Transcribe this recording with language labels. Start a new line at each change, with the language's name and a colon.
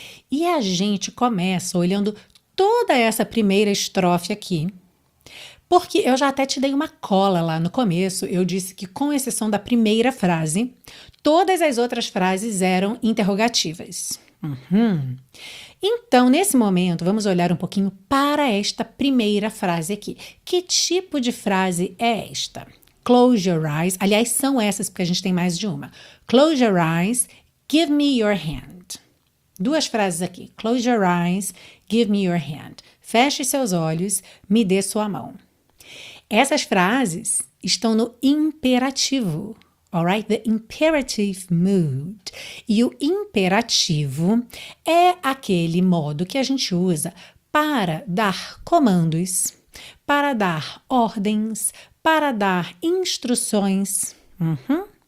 Portuguese: E a gente começa olhando toda essa primeira estrofe aqui, porque eu já até te dei uma cola lá no começo, eu disse que com exceção da primeira frase, todas as outras frases eram interrogativas. Uhum. Então, nesse momento, vamos olhar um pouquinho para esta primeira frase aqui. Que tipo de frase é esta?
English: Close your eyes.
Portuguese: Aliás, são essas porque a gente tem mais de uma.
English: Close your eyes, give me your hand.
Portuguese: Duas frases aqui.
English: Close your eyes, give me your hand.
Portuguese: Feche seus olhos, me dê sua mão. Essas frases estão no imperativo, alright?
English: The imperative mood.
Portuguese: E o imperativo é aquele modo que a gente usa para dar comandos, para dar ordens, para dar instruções. Uhum.